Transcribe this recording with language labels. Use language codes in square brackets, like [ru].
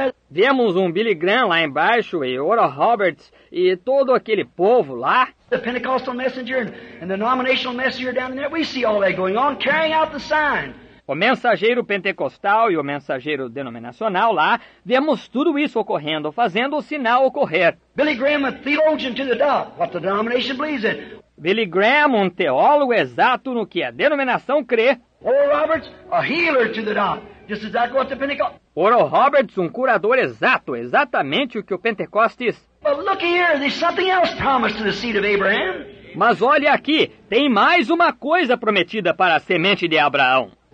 [pt] Vemos um Billy Graham lá embaixo e Oral Roberts e todo aquele povo lá. [en] The Pentecostal messenger and the denominational messenger down there. We see all that going on, carrying out the sign. [pt] O mensageiro pentecostal e o mensageiro denominacional lá, vemos tudo isso ocorrendo, fazendo o sinal ocorrer. [en] Billy Graham, a theologian to the dot, what the denomination believes in. [pt] Billy Graham, um teólogo exato no que a denominação crê. [en] Oral Roberts, a healer to the dot, just exactly what the Pentecost. [pt] Oral Roberts, um curador exato, exatamente o que o Pentecostes. [en] But look here, there's something else promised to the seed of Abraham. [pt] Mas olha aqui, tem mais uma coisa prometida para a semente de Abraão.